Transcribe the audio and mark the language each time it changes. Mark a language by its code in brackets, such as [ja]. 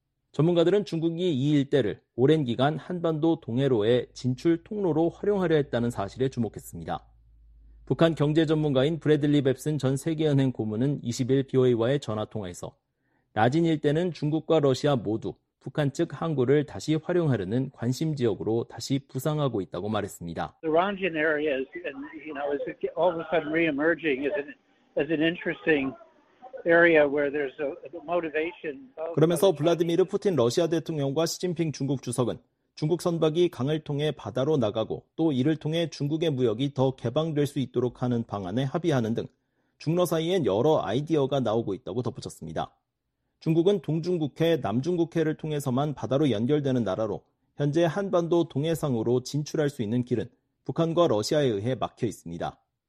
[ko] 전문가들은 중국이 이 일대를 오랜 기간 한반도 동해로의 진출 통로로 활용하려 했다는 사실에 주목했습니다. 북한 경제 전문가인 브래들리 뱁슨 전 세계은행 고문은 20일 BOA와의 전화통화에서 라진 일대는 중국과 러시아 모두 북한 측 항구를 다시 활용하려는 관심 지역으로 다시 부상하고 있다고 말했습니다. [en] The Ranjin area is, you know, is all of a sudden re-emerging as an interesting area where there's a motivation. [ko] 그러면서 블라디미르 푸틴 러시아 대통령과 시진핑 중국 주석은 중국 선박이 강을 통해 바다로 나가고 또 이를 통해 중국의 무역이 더 개방될 수 있도록 하는 방안에 합의하는 등 중러 사이엔 여러 아이디어가 나오고 있다고 덧붙였습니다. 중국은 동중국해, 남중국해를 통해서만 바다로 연결되는 나라로 현재 한반도 동해상으로 진출할 수 있는 길은 북한과 러시아에 의해 막혀 있습니다.